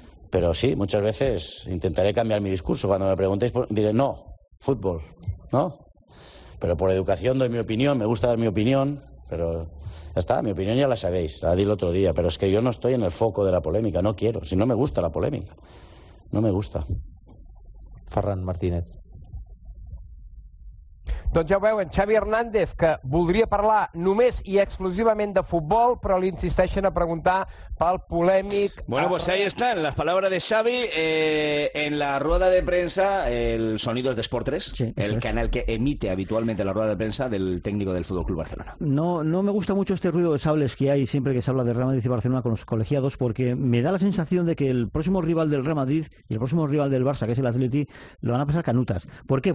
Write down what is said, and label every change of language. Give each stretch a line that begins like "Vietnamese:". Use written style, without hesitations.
Spanish: Pero sí, muchas veces intentaré cambiar mi discurso. Cuando me preguntéis, diré, no, fútbol, ¿no? Pero por educación doy mi opinión, me gusta dar mi opinión, pero ya está, mi opinión ya la sabéis, la di el otro día, pero es que yo no estoy en el foco de la polémica, no quiero, si no me gusta la polémica, no me gusta.
Catalan: Ferran Martínez. Doncs ja ho veuen, Xavi Hernández, que voldria parlar només i exclusivament de futbol, però li insisteixen a preguntar pel polèmic...
Spanish: Bueno, pues ahí están las palabras de Xavi en la rueda de prensa, el sonido es de Sport 3, sí, el canal que emite habitualmente la rueda de prensa del técnico del FC Barcelona. No me gusta mucho este ruido de sables que hay siempre que se habla de Real Madrid y Barcelona con los colegiados, porque me da la sensación de que el próximo rival del Real Madrid y el próximo rival del Barça, que es el Atleti, lo van a pasar canutas. ¿Por qué?